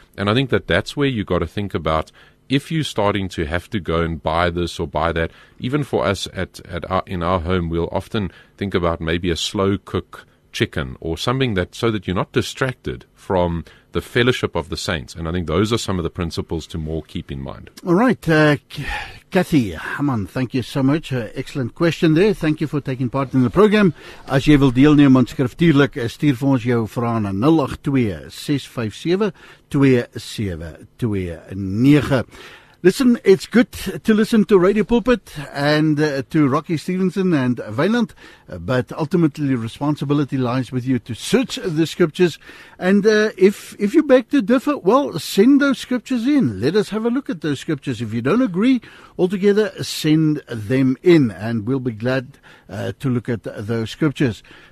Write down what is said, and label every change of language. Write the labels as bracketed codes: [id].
[en] And I think that that's where you got to think about, if you're starting to have to go and buy this or buy that, even for us in our home, we'll often think about maybe a slow cook chicken or something, that so that you're not distracted from the fellowship of the saints. And I think those are some of the principles to more keep in mind. All right, Kathy Hammond, thank you so much. Excellent question there. Thank you for taking part in the program. [af] As jy wil deelneem aan skriftuurlik, stuur vir ons jou vrae na 082-657-2729. [en] Listen, it's good to listen to Radio Pulpit and to Rocky Stevenson and Weiland, but ultimately responsibility lies with you to search the scriptures. And if you beg to differ, well, send those scriptures in. Let us have a look at those scriptures. If you don't agree altogether, send them in, and we'll be glad to look at those scriptures.